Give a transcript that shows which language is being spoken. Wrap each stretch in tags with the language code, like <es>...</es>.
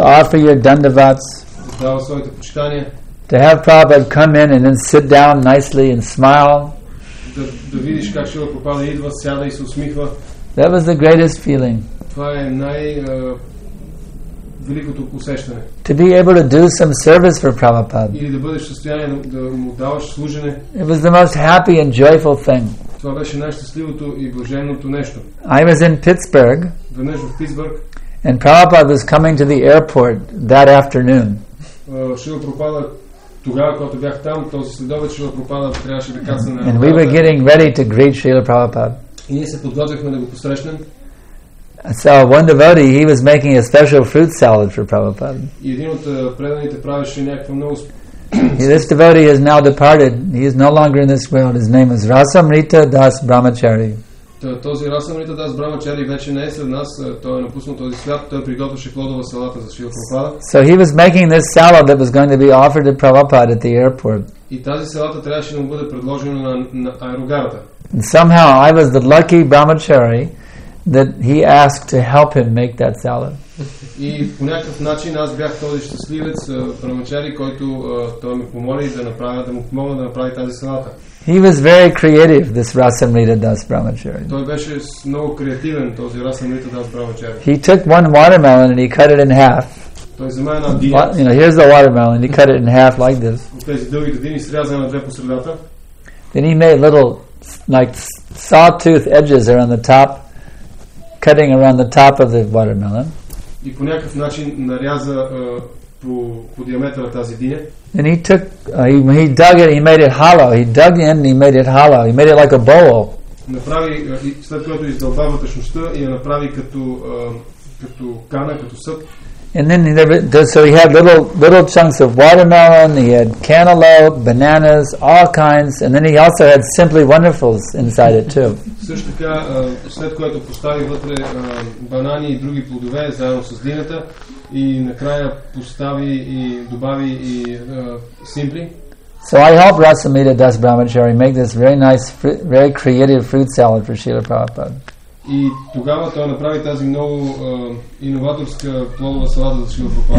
<en>To offer your dandavats.</en> <bg>Да дава своите почитания.</bg> <en>To have Prabhupada come in and then sit down nicely and smile.</en> <bg>Да видиш как Шрила Прабхупада идва, сяда и се усмихва.</bg> <en>That was the greatest feeling.</en> <bg>Това е най великото усещане.</bg> <en>To be able to do some service for Prabhupada.</en> <bg>Или да бъдеш в състояние да му даваш служене.</bg> <en>It was the most happy and joyful thing.</en> <bg>Това беше най-щастливото и блаженното нещо.</bg> <en>I was in Pittsburgh.</en> <bg>Веднъж в Питсбърг.</bg> <en>And Prabhupada was coming to the airport that afternoon.</en> <bg>Шрила Прабхупада тогава, когато бях там, този следобед Шрила Прабхупада трябваше да кацне на аеропорта.</bg> <en>And we were getting ready to greet Srila Prabhupada.</en> <bg>И ние се подготвяхме да го посрещнем.</bg> <en>So one devotee, he was making a special fruit salad for Prabhupada.</en> <bg>Един от преданите правеше някаква много.</bg> <en>This devotee has now departed. He is no longer in this world. His name is Rasamrita Das Brahmachari.</en> <bg>Този Rasamrita Das Brahmachari вече не е сред нас. Той е напуснал този свят. Той приготвяше плодова салата за Шрила Прабхупада.</bg> <en>So he was making this salad that was going to be offered to Prabhupada at the airport.</en> <bg>И тази салата трябваше да му бъде предложена на аерогарата.</bg> <en>And somehow I was the lucky Brahmachari that he asked to help him make that salad.</en> <bg>И по някакъв начин аз бях този щастливец, брамачари, който той ми помоли да му помогна да направи тази салата.</bg> <en>He was very creative, this Rasamrita Das Brahmachari.</en> <bg>Той беше много креативен, този Rasamrita Das Brahmachari.</bg> <en>He took one watermelon and he cut it in half.</en> <bg>Той взема една дия.</bg> <en>You know, here's the watermelon, he cut it in half like this.</en> <bg>Тези дълги дини срязани на две по средата.</bg> <en>Then he made little like sawtooth edges around the top, cutting around the top of the watermelon.</en> <bg>И по някакъв начин наряза по диаметъра тази диня.</bg> <en>And he took he dug it, he made it hollow. He dug in and he made it hollow. He made it like a bowl.</en> <bg>Направи след което издълбава вътрешността и я направи като кана, като съд.</bg> <en>And then he had little chunks of watermelon, he had cantaloupe, bananas, all kinds, and then he also had Simply Wonderfuls inside it too.</en> <bg>Също така, след което постави вътре банани и други плодове заедно с дината и накрая постави и добави и Simply.</bg> <en>So I helped Rasamrita Das Brahmachari make this very nice, very creative fruit salad for Srila Prabhupada.</en> <bg>И тогава той направи тази много иноваторска плодова салата за Шрила Прабхупада.</bg>